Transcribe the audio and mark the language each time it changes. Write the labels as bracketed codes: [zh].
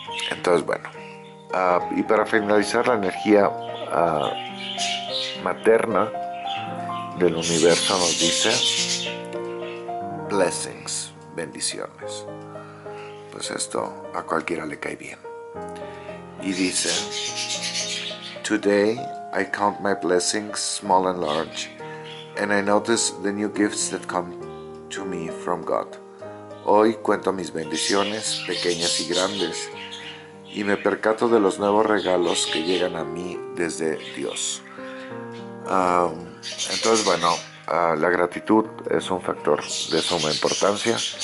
[es] Entonces, bueno, y para finalizar, la energía materna del universo nos dice blessings, bendiciones. Pues esto a cualquiera le cae bien. [en] Y dice: Today I count my blessings small and large, and I notice the new gifts that come to me from God. [es] Hoy cuento mis bendiciones, pequeñas y grandes, y me percato de los nuevos regalos que llegan a mí desde Dios. Entonces, bueno. La gratitud es un factor de suma importancia.